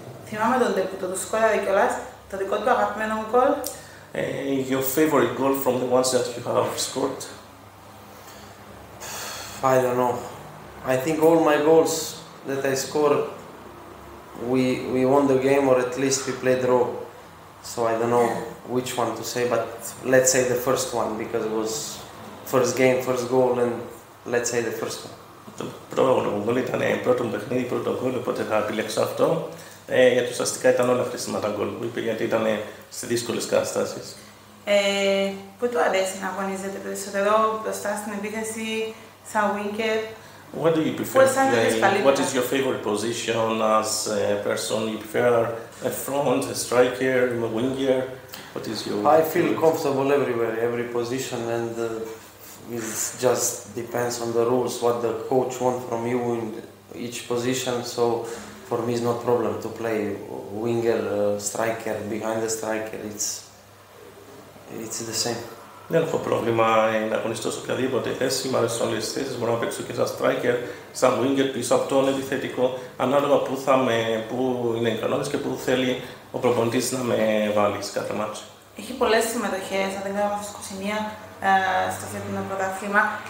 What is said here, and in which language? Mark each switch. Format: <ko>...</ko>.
<el>Θυμάμαι τον τύπο, το σκόραρε κιόλας. Το δικό του αγαπημένο γκολ.</el> <en>Your favorite goal from the ones that you have scored. I don't know. I think all my goals that I scored, we won the game or at least we played draw. So I don't know which one to say, but let's say the first one because it was first game, first goal, and let's say the first one.</en> <el>Το πρώτο γκολ ήταν πρώτο παιχνίδι, πρώτο γκολ, οπότε θα επιλέξω αυτό. Γιατί ουσιαστικά ήταν όλα χρήσιμα τα γκολ που είπε, γιατί ήταν σε δύσκολες καταστάσεις. Πού του αρέσει να αγωνίζεται περισσότερο, μπροστά στην επίθεση, σαν winger?</el> <en>What do you prefer to play? What is your favorite position as a person? You prefer a front, a striker, a winger? What is your I feel favorite? Comfortable everywhere, every position, and it just depends on the rules, what the coach wants from you in each position. So for me, it's not a problem to play winger, striker, behind the striker. It's the same.</en> <el>Δεν έχω πρόβλημα να αγωνιστώ σε οποιαδήποτε θέση. Μ' αρέσουν όλες τις θέσεις. Μπορώ να παίξω και σαν striker, σαν winger πίσω από τον επιθετικό. Ανάλογα πού θα με, πού είναι ικανότητες και πού θέλει ο προπονητής να με βάλει σε κάθε μάτσο. Έχει πολλές συμμετοχές, αν δεν κάνω λάθος, 21 στο φετινό πρωτάθλημα.</el>